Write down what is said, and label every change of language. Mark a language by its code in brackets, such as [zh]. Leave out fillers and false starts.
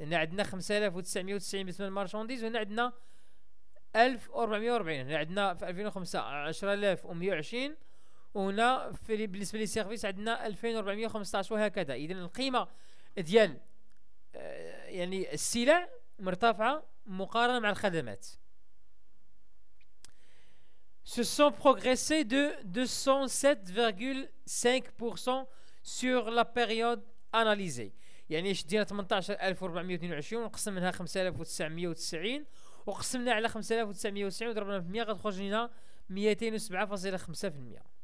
[ar] هنا عندنا 5990 باسم المارشانديز, وهنا عندنا 1440. هنا عندنا في 2005 10120, وهنا في بالنسبة لي سيرفيس عندنا 2415 وهكذا. إذن القيمة ديال يعني السلع مرتفعة مقارنة مع الخدمات. [fr] Se sont progressés de 207,5% sur la période analysée. [ar] يعني شدينا 18422 وقسم منها 5990 وقسمنا على 5990 وضربنا في 100 غتخرج لنا 207.5%.